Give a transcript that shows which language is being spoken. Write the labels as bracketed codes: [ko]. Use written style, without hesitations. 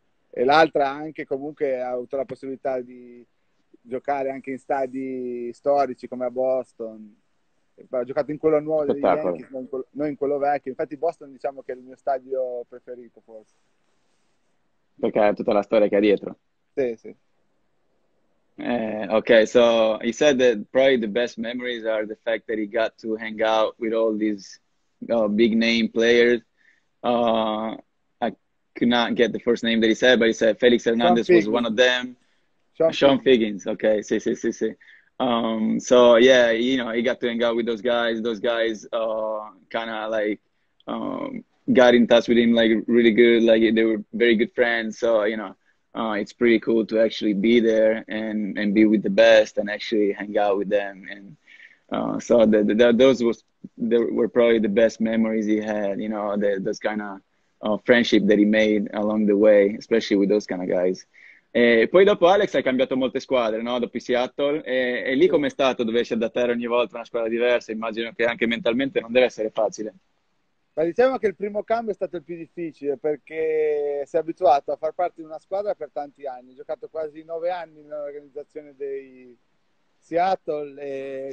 [it] E l'altra, anche comunque, ha avuto la possibilità di giocare anche in stadi storici come a Boston. Ho giocato in quello nuovo degli Yankees, Spettacolo. non in quello vecchio. Infatti Boston, diciamo che è il mio stadio preferito, forse. Perché è tutta la storia che ha dietro. Sì. [en] Ok, so he said that probably the best memories are the fact that he got to hang out with all these big name players. I could not get the first name that he said, but he said Felix Hernandez was one of them. Sean Sean Figgins. [it] Figgins, okay, sì. [en] So yeah, he got to hang out with those guys. Those guys kind of like got in touch with him like really good. Like they were very good friends. So it's pretty cool to actually be there and be with the best and actually hang out with them. And so they were probably the best memories he had. Those kind of friendship that he made along the way, especially with those kind of guys. [it] E poi dopo Alex hai cambiato molte squadre, no? Dopo Seattle, e lì com'è Sì. stato? Dovevi adattare ogni volta a una squadra diversa? Immagino che anche mentalmente non deve essere facile. Ma diciamo che il primo cambio è stato il più difficile, perché sei abituato a far parte di una squadra per tanti anni. Ho giocato quasi 9 anni nell'organizzazione dei Seattle e ti